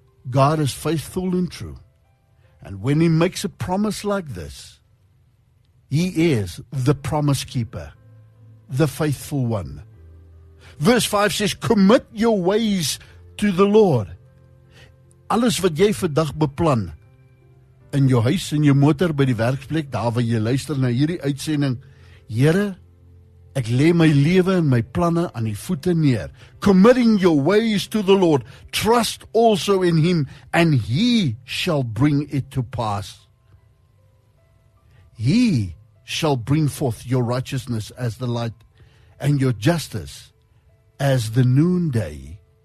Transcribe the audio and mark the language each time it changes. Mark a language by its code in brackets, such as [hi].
[en] God is faithful and true. And when He makes a promise like this, He is the promise keeper, the faithful one. Verse 5 says, commit your ways to the Lord. [af] Alles wat jy vandag beplan in jou huis, in jou motor, by die werksplek, daar waar jy luister na hierdie uitsending, Here, ek lê my lewe en my planne aan die voete neer. [en] Committing your ways to the Lord, trust also in Him, and He shall bring it to pass. He shall bring forth your righteousness as the light, and your justice as the noonday.